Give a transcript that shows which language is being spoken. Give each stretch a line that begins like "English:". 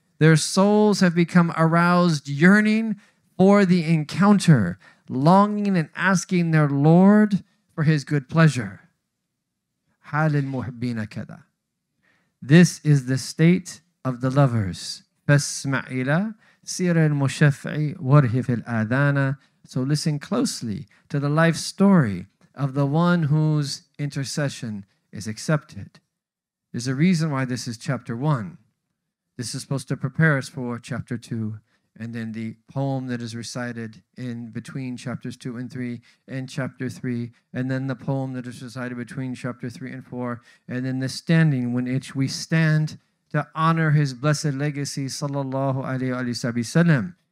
English: Their souls have become aroused, yearning for the encounter, longing and asking their Lord for His good pleasure.
Arabic: حال المحبين كذا.
English: This is the state of the lovers.
Arabic: فاسمع إلى سير المشفعي ورهف الآذانا.
English: So listen closely to the life story of the one whose intercession is accepted. There's a reason why this is chapter one. This is supposed to prepare us for chapter two, and then the poem that is recited in between chapters two and three, and chapter three, and then the poem that is recited between chapter three and four, and then the standing in which we stand to honor His blessed legacy, sallallahu alayhi wa sallam.